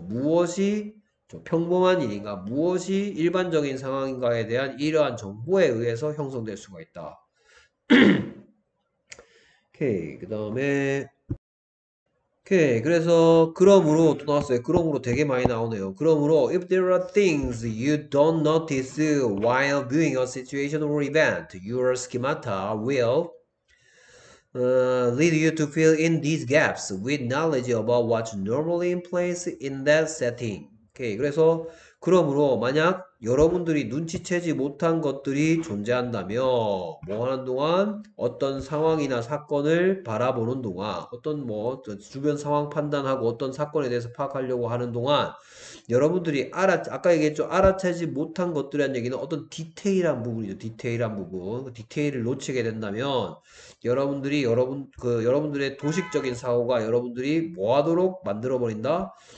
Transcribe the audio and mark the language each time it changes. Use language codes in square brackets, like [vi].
[ko] 무엇이 저 평범한 일인가, 무엇이 일반적인 상황인가에 대한 이러한 정보에 의해서 형성될 수가 있다. 오케이, 그 다음에. 오케이, 그래서, 그러므로 또 나왔어요. 그러므로 되게 많이 나오네요. 그러므로, [en] if there are things you don't notice while viewing a situation or event, your schemata will lead you to fill in these gaps with knowledge about what's normally in place in that setting. [ko] 오케이 okay, 그래서 그러므로 만약 여러분들이 눈치채지 못한 것들이 존재한다면 뭐 하는 동안 어떤 상황이나 사건을 바라보는 동안 어떤 뭐 주변 상황 판단하고 어떤 사건에 대해서 파악하려고 하는 동안 여러분들이 아까 얘기했죠 알아채지 못한 것들이란 얘기는 어떤 디테일한 부분이죠 디테일한 부분 디테일을 놓치게 된다면 여러분들이 여러분 그 여러분들의 도식적인 사고가 여러분들이 뭐 하도록 만들어 버린다.